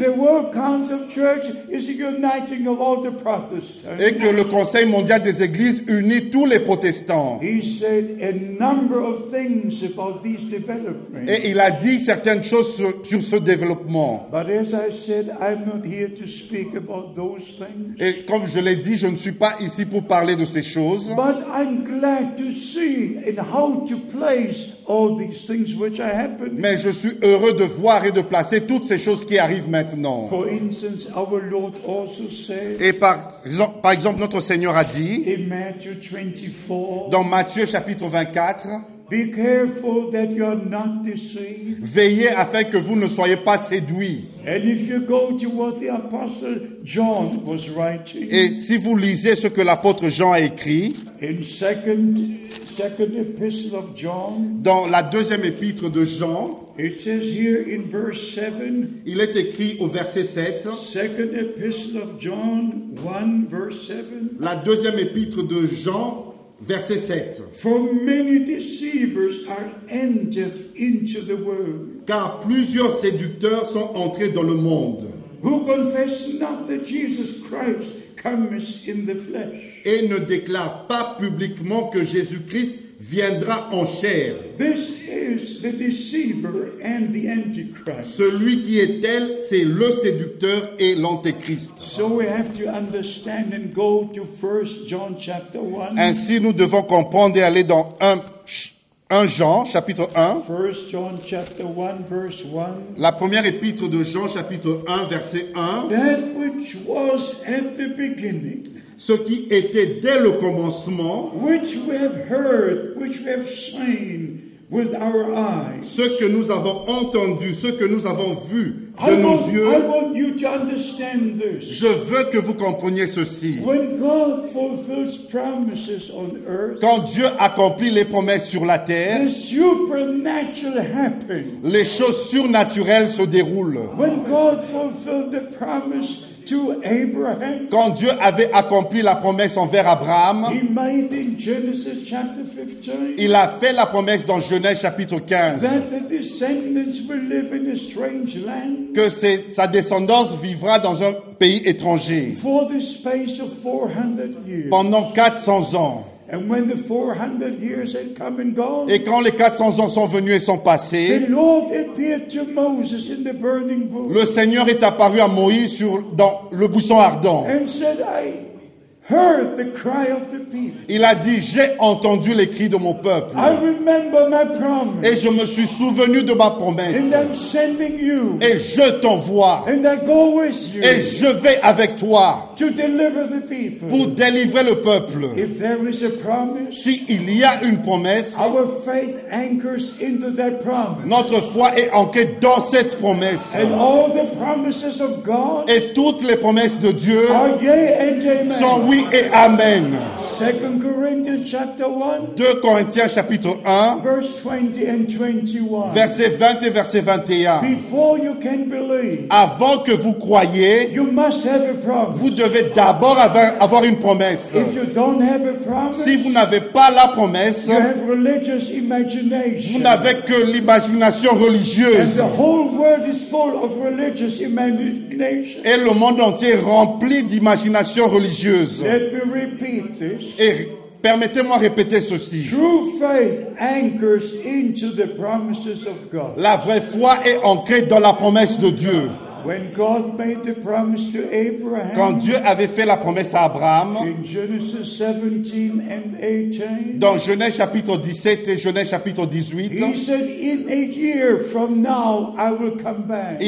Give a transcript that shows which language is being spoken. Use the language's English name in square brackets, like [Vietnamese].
[English] the World Council of Churches is the uniting of all the Protestants. [French] Et que le Conseil mondial des églises unit tous les protestants. [English] He said a number of things about these developments. [French] Et il a dit certaines choses sur ce développement. [English] But as I said, I'm not here to speak about those things. [French] Et comme je l'ai dit, je ne suis pas ici pour parler de ces choses. [English] But I'm glad to see in how to place all these things which are happening. [French] Mais je suis heureux de voir et de placer toutes ces choses qui arrivent maintenant. [English] For instance, our Lord also said, [French] et par exemple, notre Seigneur a dit [English] in Matthew 24, [French] dans Matthieu chapitre 24, [English] be careful that you are not deceived. [French] Veillez afin que vous ne soyez pas séduits. [English] And if you go to what the apostle John was writing, [French] et si vous lisez ce que l'apôtre Jean a écrit, [English] in second epistle of John, [French] dans la deuxième épître de Jean, [English] it says here in verse 7, [French] il est écrit au verset 7, [English] second epistle of John 1 verse 7, [French] la deuxième épître de Jean, verset 7. [English] For many deceivers are entered into the world. [French] Car plusieurs séducteurs sont entrés dans le monde. [English] Who confess not that Jesus Christ comes in the flesh. [French] Et ne déclare pas publiquement que Jésus-Christ viendra en chair. [English] This is the deceiver and the antichrist. [French] Celui qui est tel, c'est le séducteur et l'antéchrist. [English] So we have to understand and go to 1 John chapter 1. [French] Ainsi nous devons comprendre et aller dans 1 Jean chapitre 1. [English] 1 John chapter 1 verse 1. [French] La première épître de Jean chapitre 1 verset 1. [English] That which was at the beginning. [French] Ce qui était dès le commencement, [English] which we have heard, which we have seen, with our eyes. [French] Ce que nous avons entendu, ce que nous avons vu de nos yeux. [English] I want you to understand this. [French] Je veux que vous compreniez ceci. [English] When God fulfills promises on earth, [French] quand Dieu accomplit les promesses sur la terre, [English] the supernatural happens. [French] Les choses surnaturelles se déroulent. [English] When God fulfilled the promise to Abraham, [French] quand Dieu avait accompli la promesse envers Abraham, [English] he made in Genesis chapter 15, [French] il a fait la promesse dans Genèse chapitre 15 [English] that the descendants will live in a strange land, [French] que sa descendance vivra dans un pays étranger [English] for the space of 400 years. [French] Pendant 400 ans. [English] And when the 400 years had come and gone, [French] et quand les 400 ans sont venus et sont passés, [English] the Lord appeared to Moses in the burning bush. [French] Le Seigneur est apparu à Moïse dans le buisson ardent. [English] And said, I heard the cry of the people. [French] Il a dit, j'ai entendu les cris de mon peuple. [English] I remember my promise. [French] Et je me suis souvenu de ma promesse. [English] And I'm sending you. [French] Et je t'envoie. [English] And I go with you. [French] Et je vais avec toi. [English] To deliver the people. [French] Pour délivrer le peuple. [English] If there is a promise, [French] si il y a une promesse, [English] our faith anchors into that promise. [French] Notre foi est ancrée dans cette promesse. [English] And all the promises of God, [French] et toutes les promesses de Dieu, [English] are yea and amen. [French] Sont oui et amen. 2 Corinthiens chapitre 1, 2 Corinthiens chapitre 1, [English] verse 20 and 21. [French] Verset 20 et verset 21. [English] Before you can believe, [French] avant que vous croyiez, [English] you must have a promise. [French] Vous devez d'abord avoir une promesse. [English] If you don't have a promise, [French] si vous n'avez pas la promesse, [English] you have religious imagination. [French] Vous n'avez que l'imagination religieuse. [English] And the whole world is full of religious imagination. [French] Et le monde entier est rempli d'imagination religieuse. [English] Let me repeat this. [French] Et permettez-moi répéter ceci. [English] True faith anchors into the promises of God. [French] La vraie foi est ancrée dans la promesse de Dieu. [English] When God made the promise to Abraham, [French] quand Dieu avait fait la promesse à Abraham, [English] in Genesis 17 and 18, [French] dans Genèse chapitre 17 et Genèse chapitre 18, [English] he said, "In a year from now, I will come back."